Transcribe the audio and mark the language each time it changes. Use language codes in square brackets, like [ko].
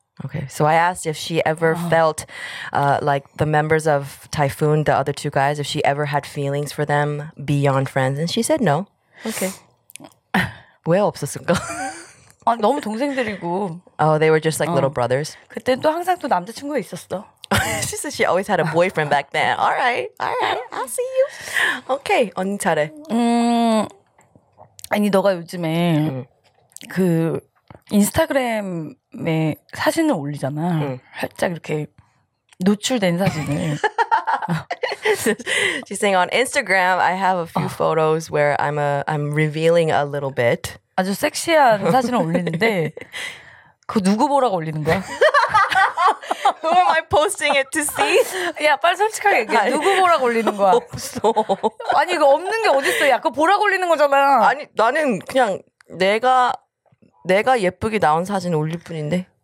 [en] Okay. So I asked if she ever felt like the members of Typhoon, the other two guys, if she ever had feelings for them beyond friends. And she said no. Okay. [ko] 왜 없었을까? 아, 너무 동생들이고. [en] Oh, they were just like little brothers? [ko] 그때는 또 항상 또 남자친구가 있었어. [en] She said she always had a boyfriend back then. All right. I'll see you. Okay. [ko] 언니 잘해. 아니, 너가 요즘에 그 인스타그램에 사진을 올리잖아. 살짝 이렇게 노출된 사진을. [en] She's saying on Instagram, I have a few photos where I'm revealing a little bit. [ko] 아주 섹시한 사진을 올리는데 그거 누구 보라고 올리는 거야? [en] Who am I posting it to see? [ko] 야, 빨리 솔직하게 얘기해. 누구 보라고 올리는 거야? 없어. 아니, 이거 없는 게 어딨어. 야, 그거 보라고 올리는 거잖아. 아니, 나는 그냥 내가 예쁘게 나온 사진 올릴 뿐인데.